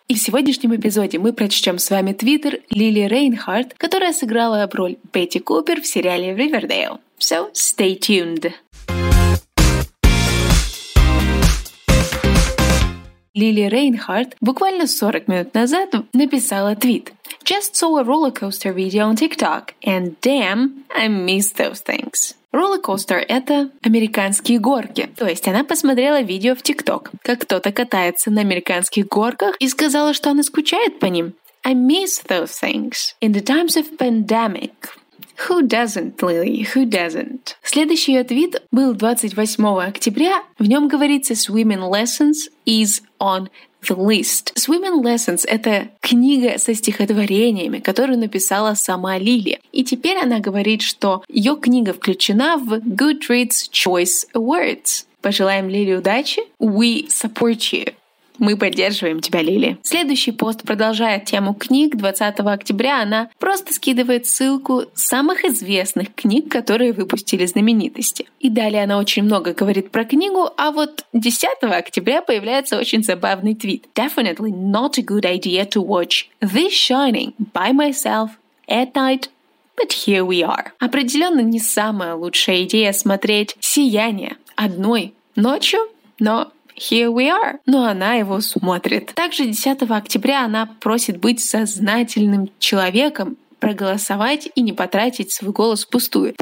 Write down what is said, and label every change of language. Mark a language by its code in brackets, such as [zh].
[ru] И в сегодняшнем эпизоде мы прочтем с вами твиттер Лили Рейнхарт, которая сыграла роль Бетти Купер в сериале Riverdale. [en] So, stay tuned! [ru] Лили Рейнхарт буквально 40 минут назад написала твит. [en] Just saw a roller coaster video on TikTok, and damn, I miss those things. [ru] Roller coaster — это американские горки. То есть она посмотрела видео в TikTok, как кто-то катается на американских горках и сказала, что она скучает по ним. [en] I miss those things. In the times of pandemic. Who doesn't, Lily? Who doesn't? [ru] Следующий ее твит был 28 октября. В нем говорится [en] «Swimming lessons is on the list». [ru] «Swimming lessons» — это книга со стихотворениями, которую написала сама Лили. И теперь она говорит, что ее книга включена в Goodreads Choice Awards. Пожелаем Лили удачи. [en] We support you. [ru] Мы поддерживаем тебя, Лили. Следующий пост продолжает тему книг. 20 октября она просто скидывает ссылку самых известных книг, которые выпустили знаменитости. И далее она очень много говорит про книгу, а вот 10 октября появляется очень забавный твит. [en] Definitely not a good idea to watch The Shining by myself at night. But here we are. [ru] Определенно не самая лучшая идея смотреть «Сияние» одной ночью, но... [en] Here we are. [ru] Но она его смотрит. Также 10 октября она просит быть сознательным человеком, проголосовать и не потратить свой голос впустую.